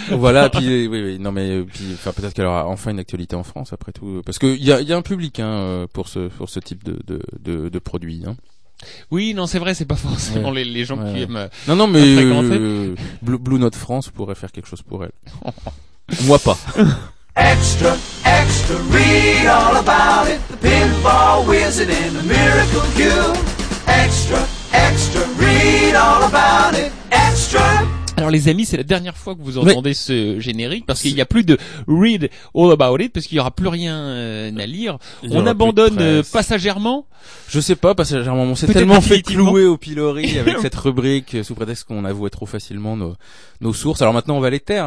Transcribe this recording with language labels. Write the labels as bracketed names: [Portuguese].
[French] Voilà, puis peut-être qu'elle aura enfin une actualité en France après tout, parce que il y a un public pour ce type de produits. Hein. Oui, non, c'est vrai, c'est pas forcément les gens qui aiment. Non, mais Blue Note France pourrait faire quelque chose pour elle. Moi pas. [English] Extra, extra, read all about it, the pinball wizard and the miracle cure. Extra, extra, read all about it. Extra. [French] Alors les amis, c'est la dernière fois que vous entendez ce générique parce qu'il n'y a plus de Read All About It parce qu'il n'y aura plus rien à lire. On abandonne passagèrement. Je sais pas passagèrement. On s'est tellement fait clouer au pilori avec cette rubrique sous prétexte qu'on avouait trop facilement nos sources. Alors maintenant on va les taire.